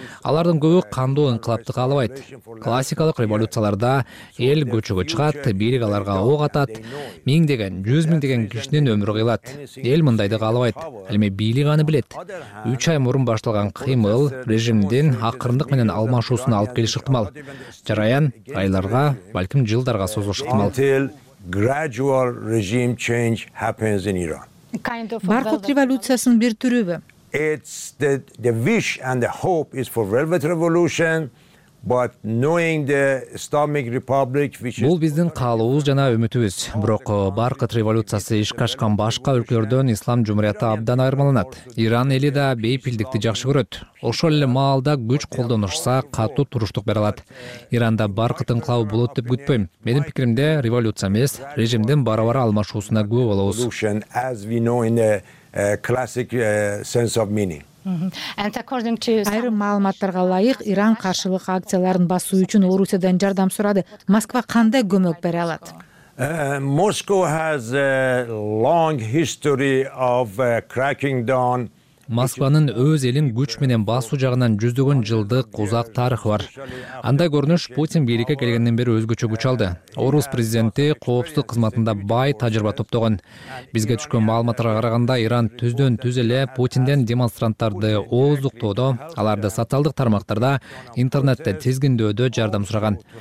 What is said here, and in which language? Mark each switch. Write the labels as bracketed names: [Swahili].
[Kyrgyz] Алардын көбү кандуу инкылапты каалабайт. Классикалык революцияларда эл көчөгө чыгат, бийлик аларга ок атат, миңдеген, жүз миңдеген кишинин өмүрү кыйылат. Эл мындайды каалабайт, ал эми бийлик аны билет. Үч ай мурун башталган кыймыл режимдин акырындык менен алмашуусуна алып келиш ыктымал. Жараян айларга, балким жылдарга созулушу ыктымал. [English] Gradual regime change happens in Iran. [Kyrgyz] Баркут революциясынын бир түрүбү. [English] It's the wish and the hope is for velvet revolution. But knowing the Islamic Republic which is [Kyrgyz] бул биздин каалообуз жана үмүтүбүз. Бирок Баркыт революциясы ишке ашкан башка өлкөлөрдөн Ислам Жумурияты абдан айырмаланат. Иран эли да бейпилдикти жакшы көрөт. Ошол эле маалда күч колдонушса катуу туруштук бере алат. Иранда Баркыт инкылабы болот деп күтпөйм. Менин пикиримде революция эмес, режимдин бара-бара алмашуусуна күбө болобуз. [English] As we know in the classic sense of meaning. [Kyrgyz] Айрым маалыматтарга ылайык, Иран каршылык акцияларын басуу үчүн Орусиядан жардам сурады. Москва кандай көмөк бере алат? [English] Moscow has a long history of cracking down. [Kyrgyz] Москванын өз элин күч менен басуу жагынан жүздөгөн жылдык узак тарыхы бар. Андай көрүнүш Путин бийликке келгенден бери өзгөчө күч алды. Орус президенти коопсуздук кызматында бай тажрыйба топтогон. Бизге түшкөн маалыматтарга караганда, Иран түздөн түз эле Путинден демонстранттарды ооздуктоодо, аларды социалдык тармактарда, интернетте тизгиндөөдө жардам сураган.